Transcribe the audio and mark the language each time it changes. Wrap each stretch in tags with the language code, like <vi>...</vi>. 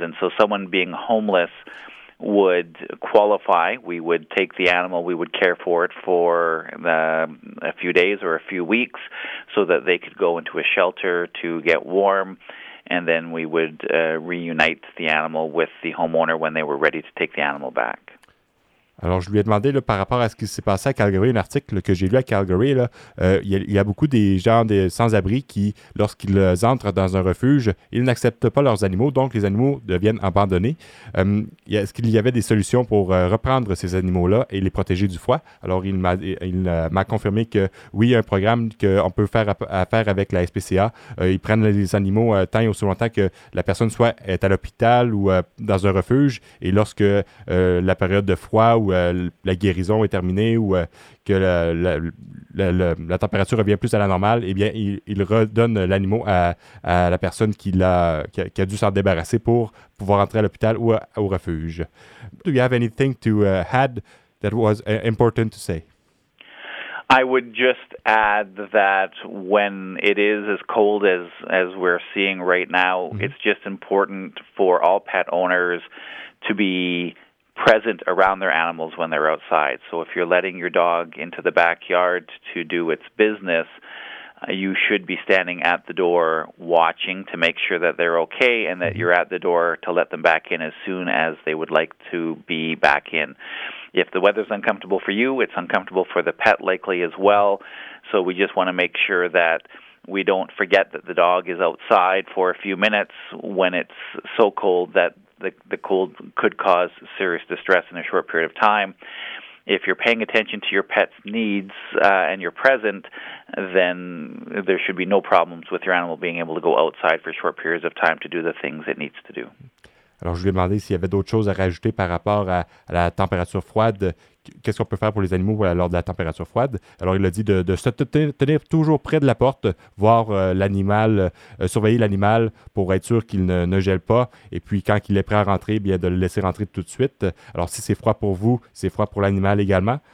<en>And so someone being homeless would qualify. We would take the animal, we would care for it for a few days or a few weeks so that they could go into a shelter to get warm, and then we would reunite the animal with the homeowner when they were ready to take the animal back.</en> <fr>Alors, je lui ai demandé là, par rapport à ce qui s'est passé à Calgary, un article que j'ai lu à Calgary. Là, il y a beaucoup des gens, des sans-abri qui, lorsqu'ils entrent dans un refuge, ils n'acceptent pas leurs animaux, donc les animaux deviennent abandonnés. Est-ce qu'il y avait des solutions pour reprendre ces animaux-là et les protéger du froid? Alors, il m'a confirmé que oui, il y a un programme qu'on peut faire affaire avec la SPCA. Ils prennent les animaux tant et aussi longtemps que la personne soit est à l'hôpital ou dans un refuge, et lorsque la période de froid où la guérison est terminée, ou que la température revient plus à la normale, eh bien, il redonne l'animal à la personne qui a dû s'en débarrasser pour pouvoir entrer à l'hôpital ou au refuge.</fr> <en>Do you have anything to add that was important to say? I would just add that when it is as cold as we're seeing right now, mm-hmm. it's just important for all pet owners to be present around their animals when they're outside. So if you're letting your dog into the backyard to do its business, you should be standing at the door watching to make sure that they're okay and that you're at the door to let them back in as soon as they would like to be back in. If the weather's uncomfortable for you, it's uncomfortable for the pet likely as well. So we just want to make sure that we don't forget that the dog is outside for a few minutes when it's so cold that the cold could cause serious distress in a short period of time. If you're paying attention to your pet's needs and you're present, then there should be no problems with your animal being able to go outside for short periods of time to do the things it needs to do.</en> <fr>Alors, je lui ai demandé s'il y avait d'autres choses à rajouter par rapport à la température froide. Qu'est-ce qu'on peut faire pour les animaux lors de la température froide? Alors, il a dit de se tenir toujours près de la porte, voir l'animal, surveiller l'animal pour être sûr qu'il ne gèle pas. Et puis, quand il est prêt à rentrer, bien de le laisser rentrer tout de suite. Alors, si c'est froid pour vous, c'est froid pour l'animal également.</fr>